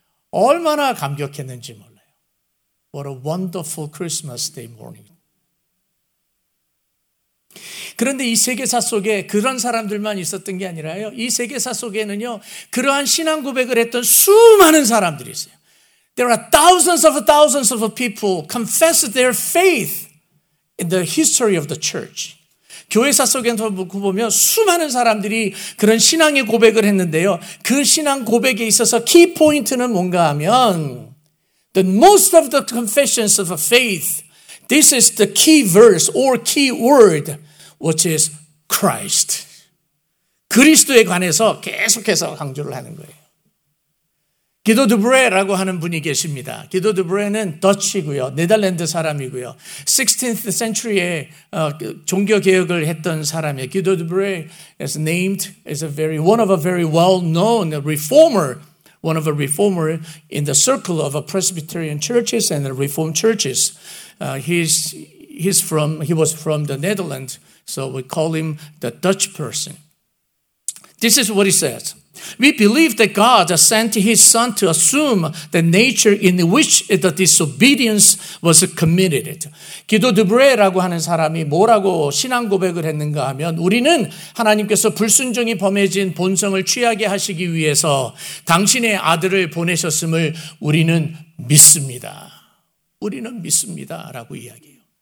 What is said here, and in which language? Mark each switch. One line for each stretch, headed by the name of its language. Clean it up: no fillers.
Korean: 얼마나 감격했는지 몰라요.
English: What a wonderful Christmas Day morning.
Korean: 그런데 이 세계사 속에 그런 사람들만 있었던 게 아니라요. 이 세계사 속에는요. 그러한 신앙 고백을 했던 수많은 사람들이 있어요.
English: There are thousands of people confess their faith in the history of the church.
Korean: 교회사 속에서 놓고 보면 수많은 사람들이 그런 신앙의 고백을 했는데요. 그 신앙 고백에 있어서 key point는 뭔가 하면
English: the most of the confessions of a faith, this is the key verse or key word, which is Christ.
Korean: 그리스도에 관해서 계속해서 강조를 하는 거예요. 기도 드브레라고 하는 분이 계십니다. 기도 드브레는 더치고요. 네덜란드 사람이고요. 16th century에 종교개혁을 했던 사람이에요.
English: 기도 드브레 is named, is a very, one of a very well-known reformer, one of the reformers in the circle of Presbyterian churches and the Reformed churches. He was from the Netherlands, so we call him the Dutch person. This is what he says. We believe that God sent his son to assume the nature in which the disobedience was committed. 기도 드브레라고 하는 사람이 뭐라고 신앙 고백을 했는가 하면 우리는 하나님께서 불순종이 범해진 본성을 취하게 하시기 위해서 당신의 아들을 보내셨음을 우리는 믿습니다. 우리는 믿습니다. 라고 이야기해요.